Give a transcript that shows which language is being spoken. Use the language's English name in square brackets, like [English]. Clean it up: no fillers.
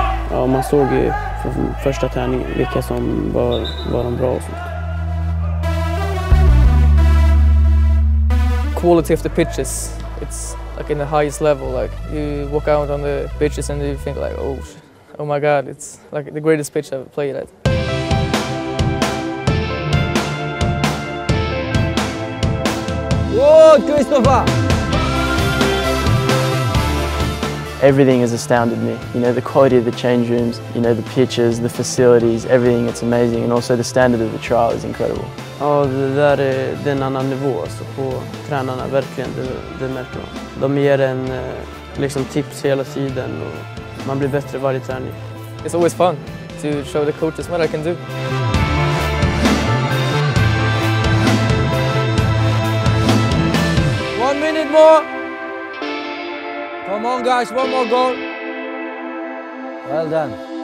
[Swedish] Ja, man såg ju från första träningen vilka som var de bra och sånt. [English] Quality of the pitches, it's like in the highest level. Like you walk out on the pitches and you think like, oh my god, it's like the greatest pitch I've ever played at. Whoa, Christopher! Everything has astounded me. You know, the quality of the change rooms, you know, the pitches, the facilities, everything, it's amazing. And also the standard of the trial is incredible. [Swedish] Ja, det där är en annan nivå alltså, på tränarna, verkligen, det märker man. De ger en liksom tips hela tiden och man blir bättre varje träning. [English] It's always fun to show the coaches what I can do. One minute more! Come on guys, one more goal. Well done.